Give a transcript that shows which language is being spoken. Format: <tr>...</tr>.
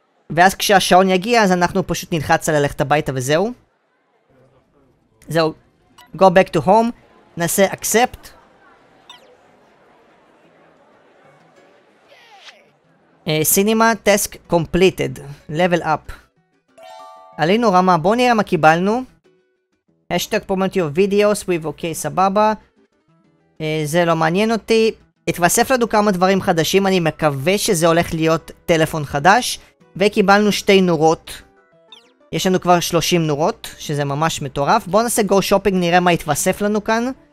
<he>ואז כשהשעון יגיע, אז אנחנו פשוט נלחץ על ללכת הביתה וזהו. זהו.</he> <en>Go back to home.</en> <he>נעשה accept.</he> <en>Cinema task completed. Level up.</en> <he>עלינו רמה, בואו נראה מה קיבלנו.</he> <en>Hashtag Pomentio videos with OK, סבבה.</en> <he>זה לא מעניין אותי. התווסף לנו כמה דברים חדשים, אני מקווה שזה הולך להיות טלפון חדש. וקיבלנו שתי נורות. יש לנו כבר 30 נורות, שזה ממש מטורף. בואו נעשה</he> <en>go shopping,</en> <he>נראה מה התווסף לנו כאן.</he>